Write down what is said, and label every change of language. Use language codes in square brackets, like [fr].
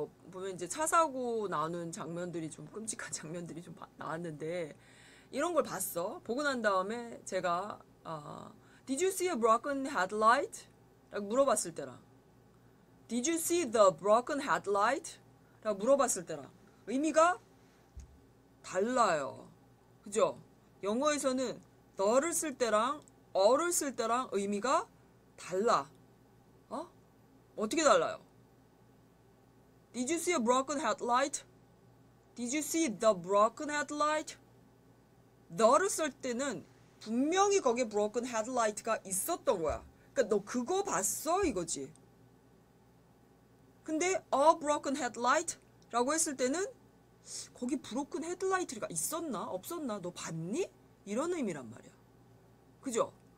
[ko] 보면 이제 차 사고 나는 장면들이 좀 끔찍한 장면들이 좀 나왔는데 이런 걸 봤어. 보고 난 다음에 제가 [en] Did you see a broken headlight? [ko] 라고 물어봤을 때랑 [en] Did you see the broken headlight? [ko] 라고 물어봤을 때랑 의미가 달라요. 그죠? 영어에서는 너를 쓸 때랑 어를 쓸 때랑 의미가 달라. 어떻게 달라요? [en] Did you see a broken headlight? Did you see the broken headlight? [ko] 너를 쓸 때는 분명히 거기에 broken headlight가 있었던 거야. 그러니까 너 그거 봤어? 이거지. 근데 a broken headlight라고 했을 때는 거기 broken headlight가 있었나? 없었나? 너 봤니? 이런 의미란 말이야. 그죠?